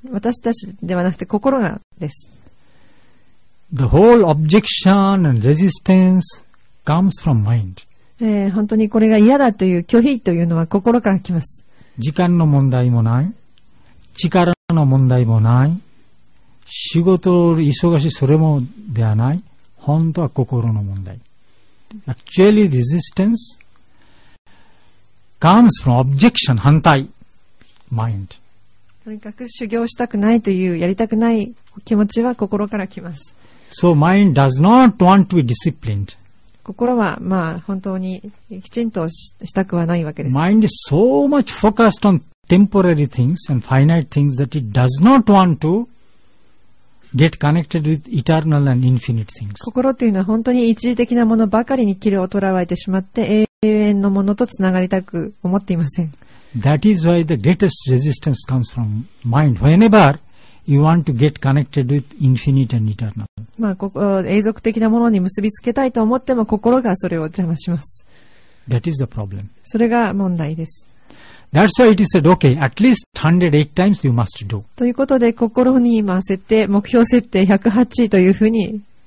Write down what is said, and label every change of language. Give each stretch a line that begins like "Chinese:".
Japanese: 私たちではなくて心がです。
English: The whole objection and resistance comes from mind.
Japanese: 本当にこれが嫌だという拒否というのは心から来ます。時間の問題もない。力の問題もない。仕事を忙しいそれもではない。本当は心の問題。
English: Actually, resistance comes from objection, 反対、mind.
Japanese: とにかく修行したくないという、やりたくない気持ちは心から来ます。
English: So, mind does not want to be disciplined.
Japanese: 心は、まあ、本当にきちんとしたくはないわけです。
English: Mind is so much focused on temporary things and finite things that it does not want to get connected with eternal and infinite things.
Japanese: 心というのは本当に一時的なものばかりに気をとらわれてしまって永遠のものとつながりたく思っていません。
English: That is why the greatest resistance comes from mind. Whenever you want to get connected with infinite and eternal.
Japanese: まあ、永続的なものに結びつけたいと思っても心がそれを邪魔します。
English: That is the problem.
Japanese: それが問題です。
English: That's why it is said, okay, at least 108 times you must do.
Japanese: ということで、心に今設定、目標設定108というふうに、